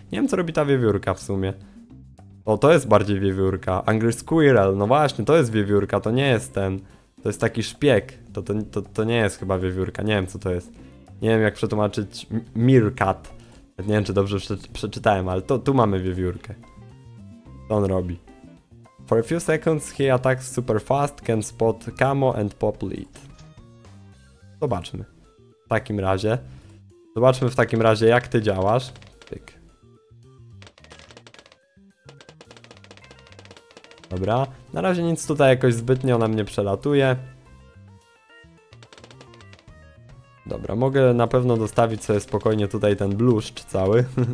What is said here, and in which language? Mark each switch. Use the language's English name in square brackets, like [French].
[Polish] Nie wiem co robi ta wiewiórka w sumie. O, to jest bardziej wiewiórka. Angry Squirrel, no właśnie, to jest wiewiórka, to nie jest ten, to jest taki szpieg, to nie jest chyba wiewiórka, nie wiem co to jest. Nie wiem jak przetłumaczyć meerkat. Nie wiem czy dobrze przeczytałem, ale tu mamy wiewiórkę. Co on robi? [English] For a few seconds he attacks super fast, can spot camo and pop lead. [Polish] Zobaczmy. W takim razie. Zobaczmy w takim razie jak ty działasz. Tyk. Dobra. Na razie nic tutaj jakoś zbytnio na mnie przelatuje. Dobra, mogę na pewno dostawić sobie spokojnie tutaj ten bluszcz cały.